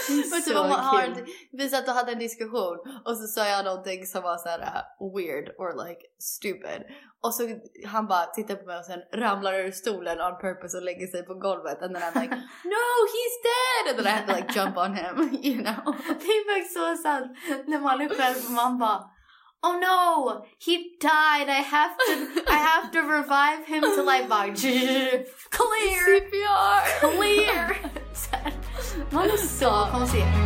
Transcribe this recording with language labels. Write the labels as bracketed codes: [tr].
[sv] Men typ om man har visat och hade en diskussion, och så sa jag någonting som var såhär [en] weird or like stupid. [sv] Och så han bara tittar på mig och sen ramlar ur stolen [en] on purpose [sv] och lägger sig på golvet. [en] And then I'm like, no, he's dead! And then I have to like jump on him, you know? [sv] Det är faktiskt så sant. När man är själv, man bara... [en] oh no, he died. I have to revive him to life. Clear. CPR. Clear. [sv] Man är så konstig.